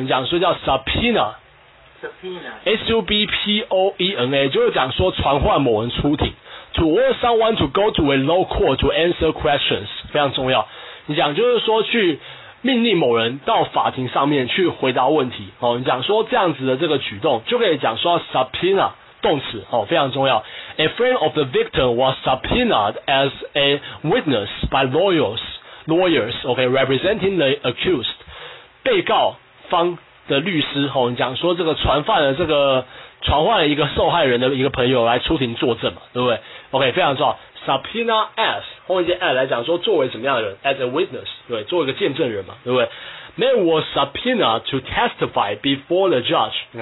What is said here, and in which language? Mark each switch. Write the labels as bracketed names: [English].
[Chinese] 你讲说叫 subpoena，subpoena， 就是讲说传唤某人出庭 ， [English] to order someone to go to a low court to answer questions， [Chinese] 非常重要。你讲就是说去命令某人到法庭上面去回答问题哦。你讲说这样子的这个举动，就可以讲说 subpoena。动词、哦、非常重要。 [English] A friend of the victim was subpoenaed as a witness by lawyers, okay, representing the accused. [Chinese] 被告方的律师、哦、你讲说这个传唤了这个传唤了一个受害人的一个朋友来出庭作证嘛，对不对 ？OK， 非常重要。 Subpoena as 后面接 as 来讲说作为什么样的人 ？ [English] As a witness， [Chinese] 对，作为一个见证人嘛，对不对 ？ [English] Man was subpoenaed to testify before the judge。